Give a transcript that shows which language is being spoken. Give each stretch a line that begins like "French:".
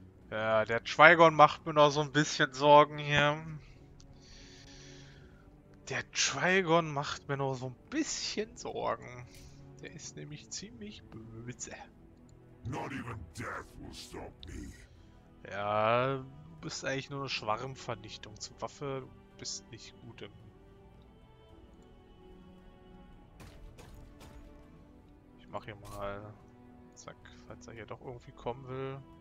German: Ja, der Trigon macht mir noch so ein bisschen Sorgen hier. Der Trigon macht mir noch so ein bisschen Sorgen. Der ist nämlich ziemlich böse.
English: Not even death will stop me.
German: Ja, du bist eigentlich nur eine Schwarmvernichtung zur Waffe. Du bist nicht gut im... Ich mach hier mal... Zack, falls er hier doch irgendwie kommen will.